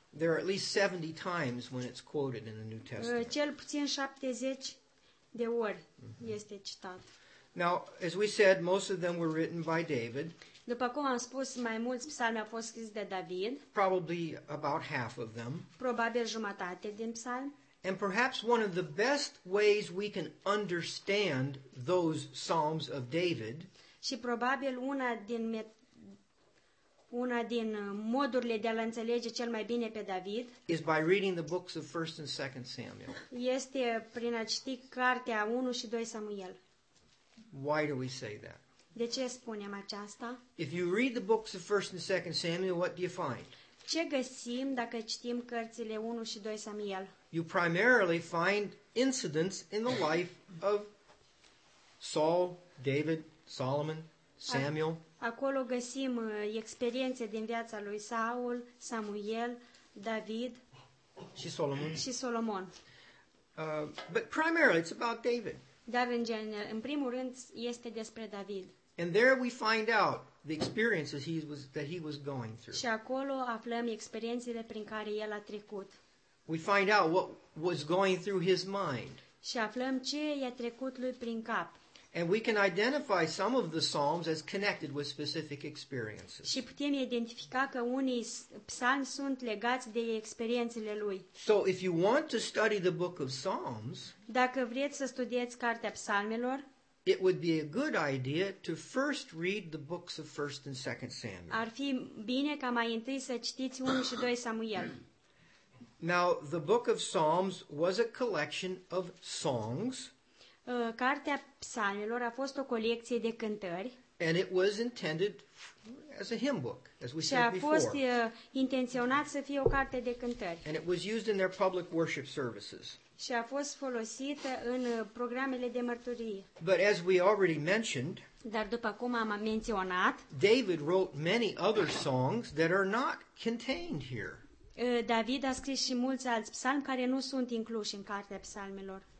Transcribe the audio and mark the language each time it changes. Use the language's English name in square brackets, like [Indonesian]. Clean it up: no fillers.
[English] There are at least 70 times when it's quoted in the New Testament. [Romanian] Cel puțin 70 de ori este citat. [English] Now, as we said, most of them were written by David. [Romanian] După cum am spus, mai mulți psalmi au fost scris de David. [English] Probably about half of them. [Romanian] Probabil jumătate din psalmi. [English] And perhaps one of the best ways we can understand those psalms of David. [Romanian] Și probabil una din modurile de a-l înțelege cel mai bine pe David [English] is by reading the books of 1 and 2 Samuel. [Romanian] Este prin a citi cartea 1 și 2 Samuel. [English] Why do we say that? [Romanian] De ce spunem aceasta? [English] If you read the books of 1 and 2 Samuel, what do you find? [Romanian] Ce găsim dacă citim cărțile 1 și 2 Samuel? [English] You primarily find incidents in the life of Saul, David, Solomon, Samuel. [Romanian] Acolo găsim experiențe din viața lui Saul, Samuel, David și Solomon. Și Solomon. [English] But primarily it's about David. [Romanian] Dar în primul rând este despre David. [English] And there we find out the experiences that he was going through. [Romanian] Și acolo aflăm experiențele prin care el a trecut. [English] We find out what was going through his mind. [Romanian] Și aflăm ce i-a trecut lui prin cap. [English] And we can identify some of the psalms as connected with specific experiences. [Romanian] Și putem identifica că unii psalmi sunt legați de experiențele lui. [English] So if you want to study the book of Psalms, [Romanian] dacă vreți să studiați cartea psalmelor, [English] it would be a good idea to first read the books of 1 and 2 Samuel. [Romanian] Ar fi bine ca mai întâi să citiți 1 și 2 Samuel. [English] Now, the book of Psalms was a collection of songs. [Romanian] Cartea psalmelor a fost o colecție de cântări. [English] And it was intended as a hymn book, as we said before. [Romanian] Și a fost intenționat să fie o carte de cântări. [English] And it was used in their public worship services. [Romanian] Și a fost folosită în programele de mărturie. [English] But as we already mentioned, [Romanian] dar după cum am menționat, [English] David wrote many other songs that are not contained here. [Romanian] David a scris și mulți alți psalmi care nu sunt incluși în cartea psalmelor.